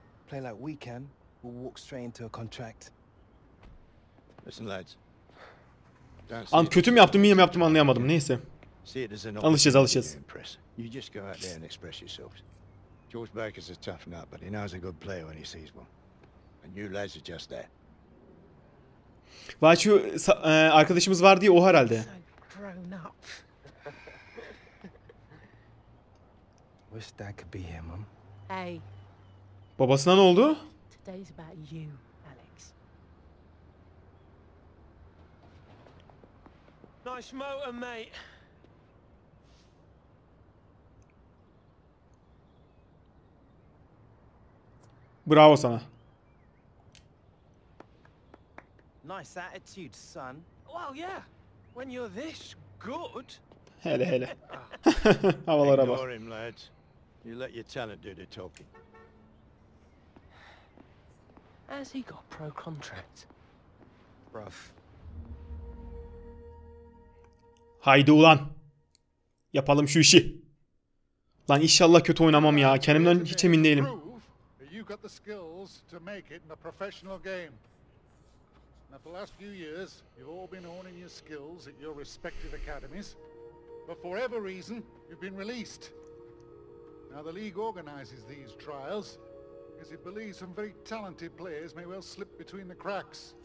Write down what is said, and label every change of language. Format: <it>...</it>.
<en>Play like we can, we'll walk straight into a contract. Listen, lads.</en> <tr>Kötü mü yaptım, miyim yaptım anlayamadım. Neyse. Alışacağız, alışacağız.</tr> <en>You just go out there and express yourselves. George Baker's a tough nut, but he knows a good player when he sees one. And you lads are just that.</en> <tr>Vay şu arkadaşımız var diye o herhalde.</tr> <en>Wish that could be him, mum. Hey.</en> <tr>Babasına ne oldu?</tr> <en>Today's about you, Alex. Nice motor, mate.</en> <tr>Bravo sana.</tr> <en>Nice attitude, son. Well, yeah. When you're this good.</en> <tr>Hele hele. Havalara bak.</tr> <en>Ignore him, lad. You let your talent do the talking. Has he got pro contract? Rough.</en> <tr>Haydi ulan. Yapalım şu işi. Lan inşallah kötü oynamam ya. Kendimden hiç emin değilim.</tr> <en>You've got the skills to make it in a professional game. Now, the last few years, you've all been honing your skills at your respective academies. But for whatever reason, you've been released. Now, the league organizes these trials because it believes some very talented players may well slip between the cracks.</en>